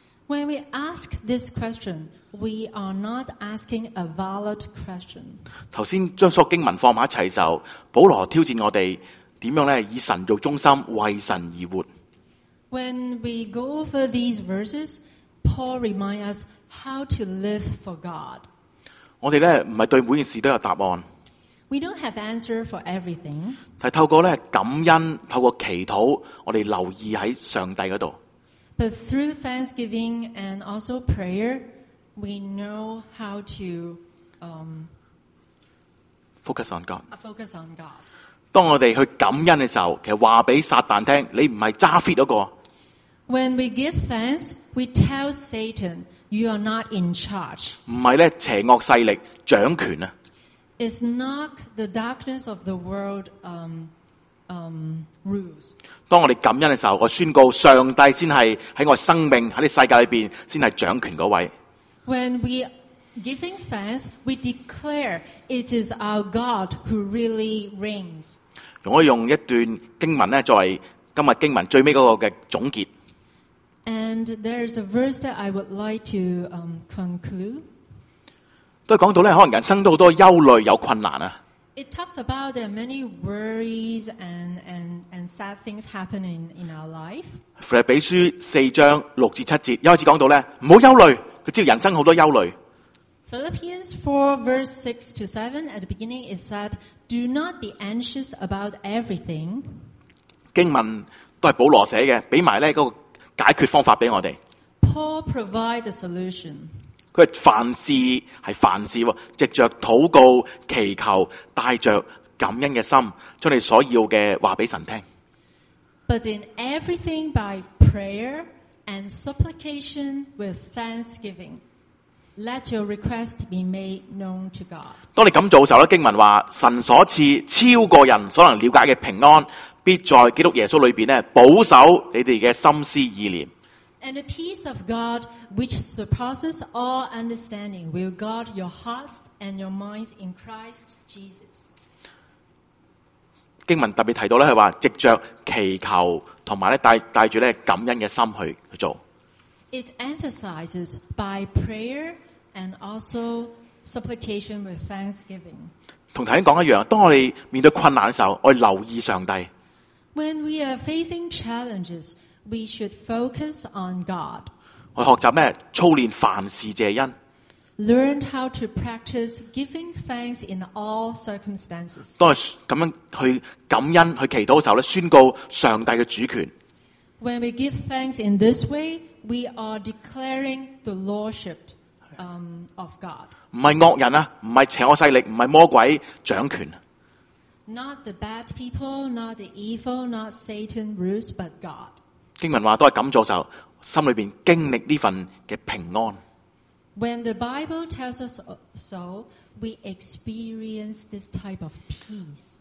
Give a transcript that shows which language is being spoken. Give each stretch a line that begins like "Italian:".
English: When we ask this question, we are not asking a valid question.
Cantonese: 頭先將所有經文放埋一齊嘅時候，保羅挑戰我哋點樣咧以神做中心，為神而活。
English: When we go over these verses, Paul reminds us how to live for God.
Cantonese: 我哋咧唔係對每件事都有答案。
English: We don't have answer for everything.
Cantonese: 係透過咧感恩，透過祈禱，我哋留意喺上帝嗰度。
English: But through thanksgiving and also prayer, we know how to focus on God. Focus on God.
Cantonese: 当我哋去感恩嘅时候，其实话俾撒旦听，你唔系揸 fit 嗰个。
English: When we give thanks, we tell Satan you are not in charge.
Cantonese: 唔系咧邪恶势力掌权啊。
English: It's not the darkness of the world. Rules.
Cantonese: 当我哋感恩嘅时候，我宣告上帝先系喺我生命喺呢世界里边先系掌权嗰位。
English: When we giving thanks, we declare it is our God who really reigns.
Cantonese: 容我用一段经文咧作为今日经文最尾嗰个嘅总结。
English: And there is a verse that I would like to conclude.
Cantonese: 都讲到咧，可能人生都好多忧虑有困难啊。
English: It talks about there are many worries and sad things happening in our life.
Cantonese: 腓立比书四章六至七节，一开始讲到咧，唔好忧虑，佢知道人生好多忧虑。
English: Philippians 4 verse 6 to 7 at the beginning it said, Do not be anxious about everything.
Cantonese: 经文都是保罗写的，给埋那个解决方法给我们。
English: Paul provide the solution.
Cantonese: 他凡事是凡事，藉着祷告祈求，带着感恩的心，将你所要的话给神听。
English: But in everything by prayer and supplication with thanksgiving. Let your request be made known to God.
Cantonese: 当你咁做嘅时候，经文话神所赐超过人所能了解嘅平安，必在基督耶稣里边咧保守你哋嘅心思意念。
English: And the peace of God, which surpasses all understanding, will guard your hearts and your minds in Christ Jesus.
Cantonese: 经文特别提到咧，系话藉着祈求同埋咧带住咧感恩嘅心去做。
English: It emphasizes by prayer and also supplication with thanksgiving.
Cantonese: 同头先讲一样，当我哋面对困难嘅时候，我哋留意上帝。
English: When we are facing challenges, we should focus on God.
Cantonese: 我学习咩？操练凡事谢恩。
English: Learn how to practice giving thanks in all circumstances.
Cantonese: 当我咁样去感恩、去祈祷嘅时候咧，宣告上帝嘅主权。
English: When we give thanks in this way, we are declaring the lordship of God.
Cantonese: 不是恶人啊，不是邪恶势力，不是魔鬼掌权。
English: Not the bad people, not the evil, not Satan rules, but God.
Cantonese: 经文话都是咁做的时候，心里边经历呢份嘅平安。
English: When the Bible tells us so, we experience this type of peace.